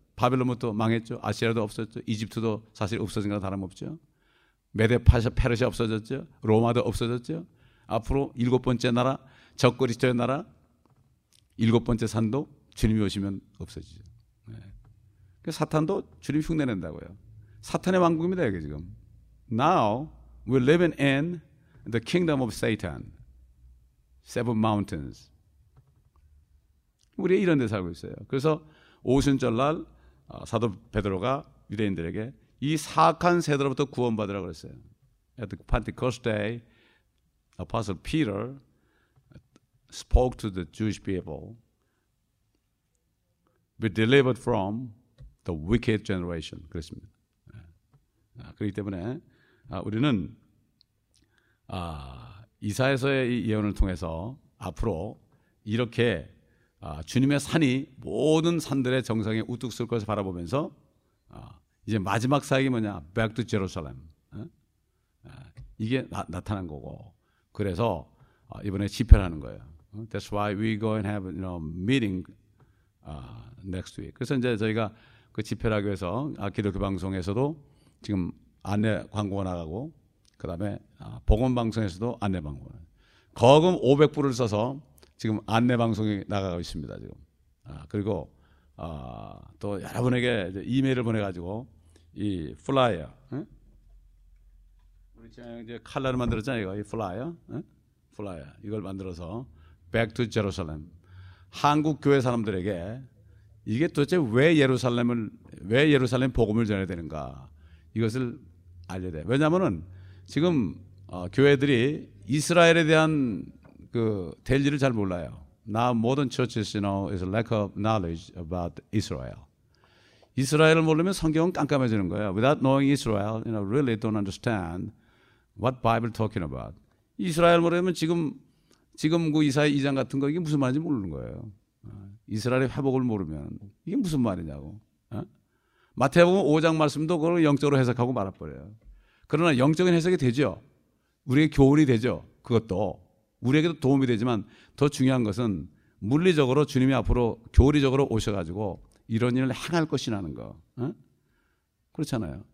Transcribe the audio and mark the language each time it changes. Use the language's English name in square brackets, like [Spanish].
[Korean] 바벨론부터 망했죠. 아시아도 없어졌죠. 이집트도 사실 없어진 거 다름없죠. 메데파르샤 페르시아 없어졌죠. 로마도 없어졌죠. 앞으로 일곱 번째 나라, 저 그리스도의 나라 일곱 번째 산도 주님이 오시면 없어지죠. 네. 사탄도 주님 흉내낸다고요. 사탄의 왕국입니다, 여기 지금. [English] Now we're living in the kingdom of Satan. Seven mountains. [Korean] 우리 이런 데 살고 있어요. 그래서 오순절날 사도 베드로가 유대인들에게 이 사악한 새들로부터 구원받으라고 그랬어요. [English] At the Pentecost day, Apostle Peter spoke to the Jewish people, be delivered from the wicked generation. [Korean] 그렇습니다. 그렇기 때문에 우리는 이사야서의 예언을 통해서 앞으로 이렇게 주님의 산이 모든 산들의 정상에 우뚝 설 것을 바라보면서 이제 마지막 사역이 뭐냐, Back to Jerusalem. 이게 나타난 거고, 그래서 이번에 집회를 하는 거예요. [English] That's why we go and have, you know, meeting next week. [Korean] 그래서 이제 저희가 그 집회를 하기 위해서 기독교 방송에서도 지금 안내 광고가 나가고, 그 다음에 복음 방송에서도 안내 광고. 거금 500불을 써서 지금 안내 방송이 나가고 있습니다, 지금. 그리고 또 여러분에게 이제 이메일을 보내가지고 이 플라이어. 우리 이제 칼라를 만들었잖아요, 이거. 이 플라이어. 플라이어. 이걸 만들어서 Back to Jerusalem. 한국 교회 사람들에게 이게 도대체 왜 예루살렘 복음을 전해야 되는가, 이것을 알려야 돼. 왜냐하면은 지금 교회들이 이스라엘에 대한 그 될 일을 잘 몰라요. [English] Now modern churches, you know, is a lack of knowledge about Israel. [Korean] 이스라엘을 모르면 성경은 깜깜해지는 거예요. [English] Without knowing Israel, you know, really don't understand what Bible talking about. [Korean] 이스라엘 모르면 지금 그 이사야 2장 같은 거 이게 무슨 말인지 모르는 거예요. 이스라엘의 회복을 모르면 이게 무슨 말이냐고. 마태복음 5장 말씀도 그걸 영적으로 해석하고 말아버려요. 그러나 영적인 해석이 되죠. 우리의 교훈이 되죠. 그것도 우리에게도 도움이 되지만 더 중요한 것은 물리적으로 주님이 앞으로 교리적으로 오셔가지고 이런 일을 행할 것이라는 거. 그렇잖아요.